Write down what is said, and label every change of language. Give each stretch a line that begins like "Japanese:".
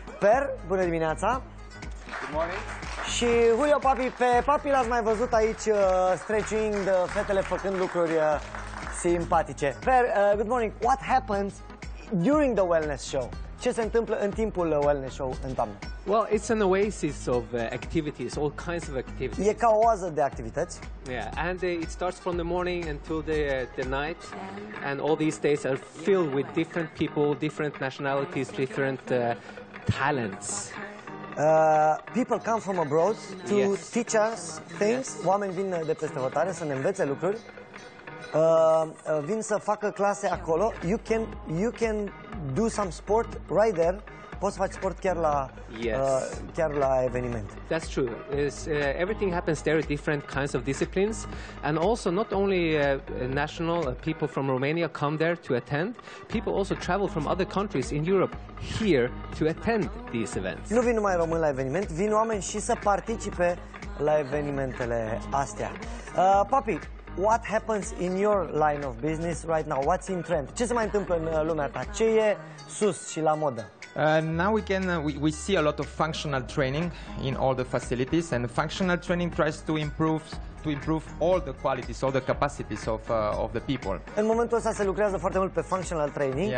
Romanian: Per, bună dimineața!
English: Good morning!
Romanian: Și Julio Papi, pe Papi l-ați mai văzut aici stretching, fetele făcând lucruri simpatice. Per,
English: good morning! What happens during the wellness show?
Romanian: Ce se întâmplă în timpul wellness show în toamnă?
English: Well, it's an oasis of activities, all kinds of activities.
Romanian: E ca o oază de activități.
English: Yeah, and it starts from the morning until the night, and all these days are filled with different people, different nationalities, different talents. People come from abroad to teach us things. Yes.
Romanian: Oameni vin de peste hotare să ne învețe lucruri. Vin să facă clase acolo.
English: You can do some sport right there.
Romanian: Poți să faci sport chiar la chiar la eveniment.
English: That's true. It's, everything happens there, different kinds of disciplines, and also not only national people from Romania come there to attend. People also travel from other countries in Europe here to attend these events.
Romanian: Nu vin numai români la eveniment, vin oameni și să participe la evenimentele astea.
English: Papi, what happens in your line of business right now? What's in trend?
Romanian: Ce se mai întâmplă în lumea ta? Ce e sus și la modă?
English: Now we see a lot of functional training in all the facilities, and functional training tries to improve all the qualities, all the capacities of the people.
Romanian: În momentul ăsta se lucrează foarte mult pe functional training.